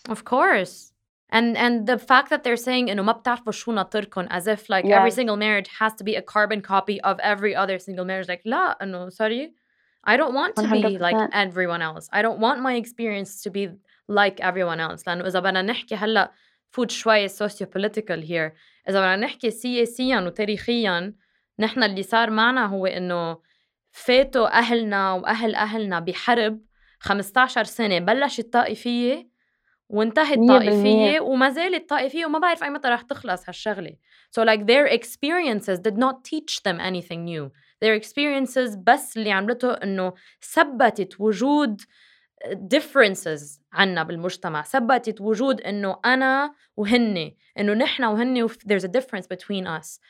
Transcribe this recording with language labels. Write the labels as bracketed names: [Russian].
[English] Of course. And the fact that they're saying [Arabic] إنه ما بتعرفوا شو ناطركم, [English] as if yeah. every single marriage has to be a carbon copy of every other single marriage. [Arabic] لا, [English] no, sorry. I don't want to 100%. Be like everyone else. I don't want my experience to be like everyone else. [Arabic] لأنه إذا بدنا نحكي هلا فوت شوية [English] sociopolitical here. [Arabic] إذا بدنا نحكي سياسياً وتاريخياً, نحن اللي صار معنا هو إنه فاتوا أهلنا وأهل أهلنا بحرب 15 سنة, بلشت الطائفية وانتهي الطائفية وما زالت الطائفية وما بعرف أي متى رح تخلص هالشغلة. [English] So their experiences did not teach them anything new. Their experiences [Arabic] بس اللي عملته إنه ثبتت وجود differences عنا بالمجتمع, ثبتت وجود إنه أنا وهن, إنه نحنا وهن, [English] there's a difference between us.